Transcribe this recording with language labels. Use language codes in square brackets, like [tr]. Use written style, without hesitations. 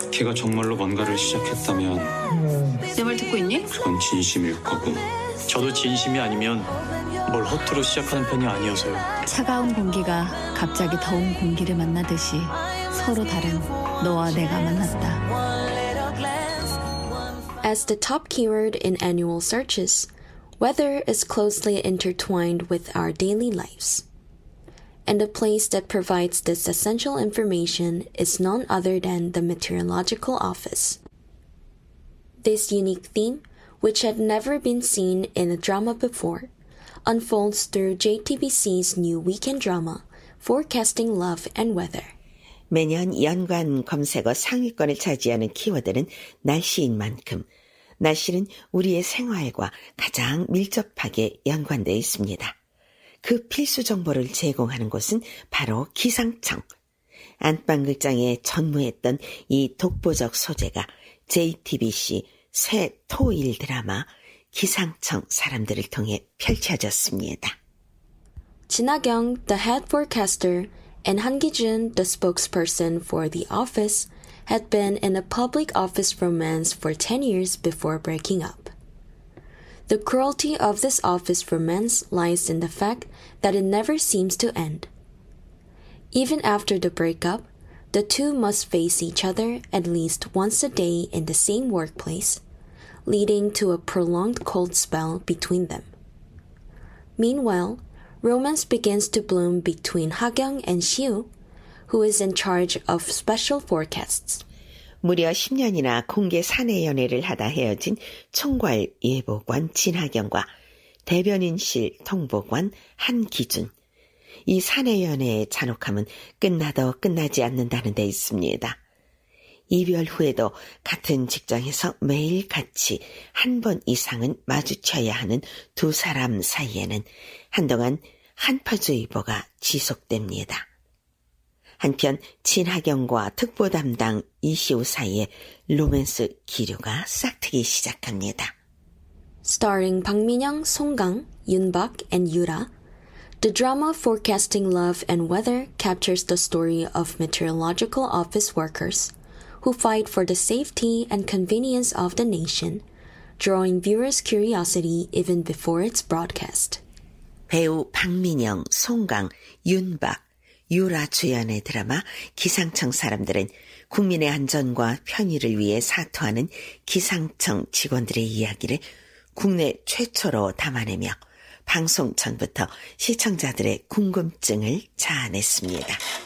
[ko] 걔가 정말로 뭔가를 시작했다면 내 말 듣고 있니? 그건 진심일 거고 저도 진심이 아니면 뭘 허투루 시작하는 편이 아니어서요. 차가운 공기가 갑자기 더운 공기를 만나듯이 서로 다른 너와 내가 만났다. [en] As the top keyword in annual searches, weather is closely intertwined with our daily lives. And the place that provides this essential information is none other than the Meteorological Office. This unique theme, which had never been seen in a drama before, unfolds through JTBC's new weekend drama, Forecasting Love and Weather. [ko] 매년 연관 검색어 상위권을 차지하는 키워드는 날씨인 만큼 날씨는 우리의 생활과 가장 밀접하게 연관되어 있습니다. 그 필수 정보를 제공하는 곳은 바로 기상청. 안방극장에 전무했던 이 독보적 소재가 JTBC 새 토일 드라마 기상청 사람들을 통해 펼쳐졌습니다. [en] 진하경, the head forecaster, and Han Ki-jun, the spokesperson for the office, had been in a public office romance for 10 years before breaking up. The cruelty of this office romance lies in the fact that it never seems to end. Even after the breakup, the two must face each other at least once a day in the same workplace, leading to a prolonged cold spell between them. Meanwhile, romance begins to bloom between Ha-kyung and Siu, who is in charge of special forecasts. [ko] 무려 10년이나 공개 사내 연애를 하다 헤어진 총괄 예보관 진하경과 대변인실 통보관 한기준. 이 사내 연애의 잔혹함은 끝나도 끝나지 않는다는 데 있습니다. 이별 후에도 같은 직장에서 매일 같이 한 번 이상은 마주쳐야 하는 두 사람 사이에는 한동안 한파주의보가 지속됩니다. 한편 진하경과 특보 담당 이시우 사이에 로맨스 기류가 싹트기 시작합니다. [en] Starring 박민영, 송강, 윤박, and 유라, the drama Forecasting Love and Weather captures the story of meteorological office workers who fight for the safety and convenience of the nation, drawing viewers' curiosity even before its broadcast. [ko] 배우 박민영, 송강, 윤박, 유라 주연의 드라마 기상청 사람들은 국민의 안전과 편의를 위해 사투하는 기상청 직원들의 이야기를 국내 최초로 담아내며 방송 전부터 시청자들의 궁금증을 자아냈습니다.